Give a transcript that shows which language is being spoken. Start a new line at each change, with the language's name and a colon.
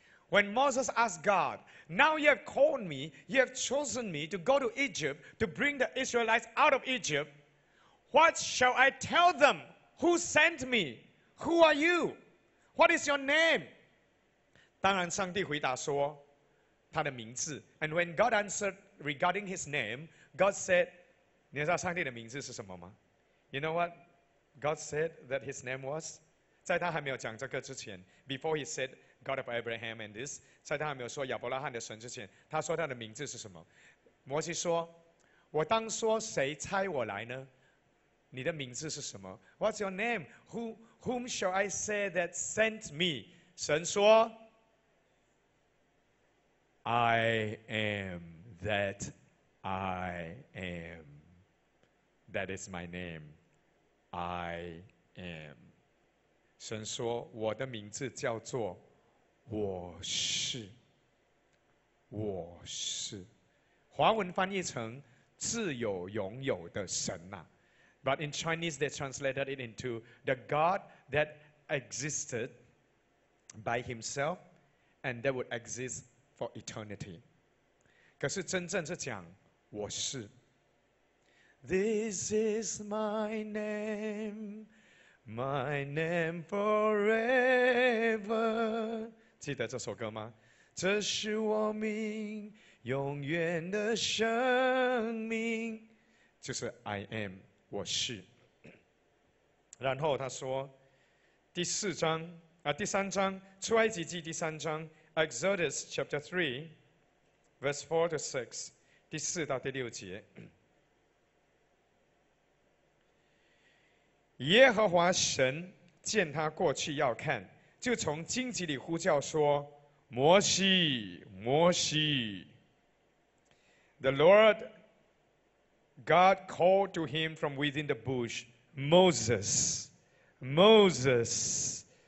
English: When Moses asked God, now you have called me, you have chosen me to go to Egypt to bring the Israelites out of Egypt, what shall I tell them? Who sent me? Who are you? What is your name?
Chinese: 当然上帝回答说他的名字。
English: And when God answered regarding his name, God said,
Chinese: 你知道上帝的名字是什么吗？
English: You know what? God said that his name was?
Chinese: 在他还没有讲这个之前，
English: before he said God of Abraham and this,
Chinese: 在他还没有说亚伯拉罕的神之前，他说他的名字是什么？摩西说，我当说谁差我来呢？你的名字是什么？
English: What's your name? Whom shall I say that sent me?
Chinese: 神说
English: I am that I am. That is my name. I am.
Chinese: 神说我的名字叫做我是。我是。华文翻译成自有拥有的神啊。
English: But in Chinese, they translated it into the God that existed by himself and that would exist for eternity.
Chinese: 可是真正是讲我是。
English: This is my name forever.
Chinese: 记得这首歌吗？这是我命永远的生命。就是
English: I am.
Chinese: 我是。然后他说第四章啊，第三章，出埃及记第三章
English: Exodus chapter 3 verse 4 to 6
Chinese: 第四到第六节。耶和华神见他过去要看，就从荆棘里呼叫说，摩西，摩西。
English: The Lord God called to him from within the bush, Moses, Moses.